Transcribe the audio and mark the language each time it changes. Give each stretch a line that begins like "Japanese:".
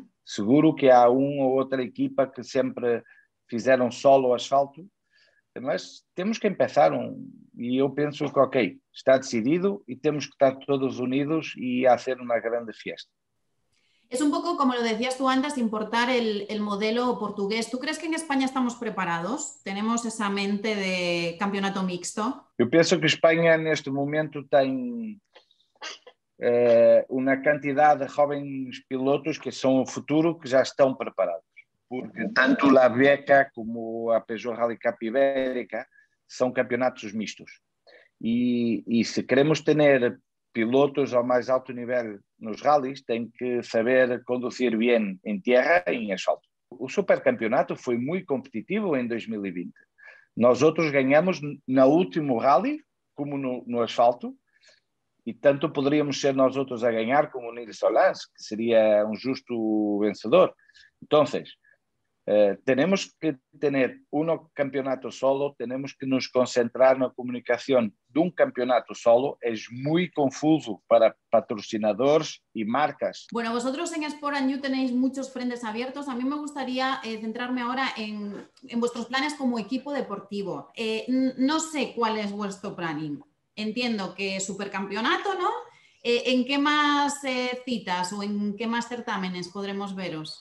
Portuguese: Seguro que há uma ou outra equipa que sempre fizeram solo asfalto, mas temos que começar e eu penso que, ok, está decidido e temos que estar todos unidos e fazer uma grande festa. É um pouco,
Spanish: como lo decías tú antes, importar el modelo
Portuguese: português.
Spanish: ¿Tú crees que en España estamos preparados? ¿Tenemos esa mente de campeonato mixto?
Portuguese: Eu penso que Espanha, neste momento, tem uma quantidade de jovens pilotos que são o futuro, que já estão preparados. Porque tanto a Beca como a Peugeot Rally Cup Ibérica são campeonatos mistos. E se queremos ter pilotos ao mais alto nível nos rallies, tem que saber conduzir bem em terra e em asfalto. O supercampeonato foi muito competitivo em 2020. Nós outros ganhamos no último rally, como no asfalto, e tanto poderíamos ser nós outros a ganhar como o Nils Solans, que seria um justo vencedor. Então, temos que ter um campeonato solo, temos que nos concentrar na comunicação de um campeonato solo. É muito confuso para patrocinadores e marcas.
Spanish: Bueno, vosotros en Sport and You tenéis muchos frentes abiertos. A mí me gustaría centrarme ahora en vuestros planes como equipo deportivo. No sé cuál es vuestro planning. Entiendo que supercampeonato, ¿no? ¿En qué más citas o en qué más certámenes podremos veros?